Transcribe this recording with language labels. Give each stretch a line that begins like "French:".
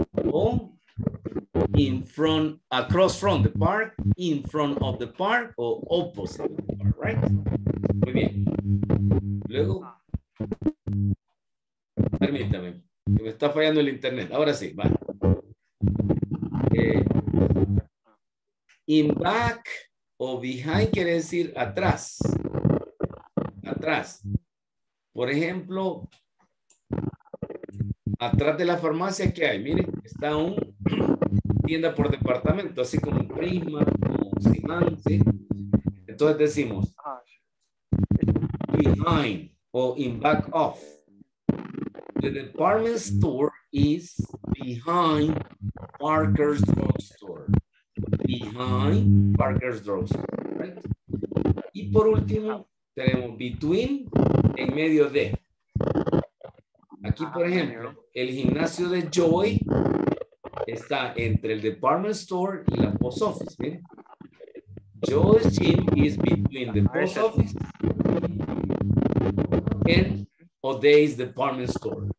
English: O in front, across from the park, in front of the park, o opposite of the park, right?
Spanish: Muy bien. Luego, permítame, que me está fallando el internet. Ahora sí, va. In back. O behind quiere decir atrás. Atrás. Por ejemplo, atrás de la farmacia, ¿qué hay? Miren, está un tienda por departamento, así como Prisma, como Simán, ¿sí? Entonces decimos behind o in back of.
English: The department store is behind Parker's drugstore. Behind Parker's drugstore, right?
Spanish: Y por último tenemos between, en medio de. Aquí, por ejemplo, el gimnasio de Joy está entre el department store y la post office, ¿sí?
English: Joy's gym is between the post office and O'Day's department store.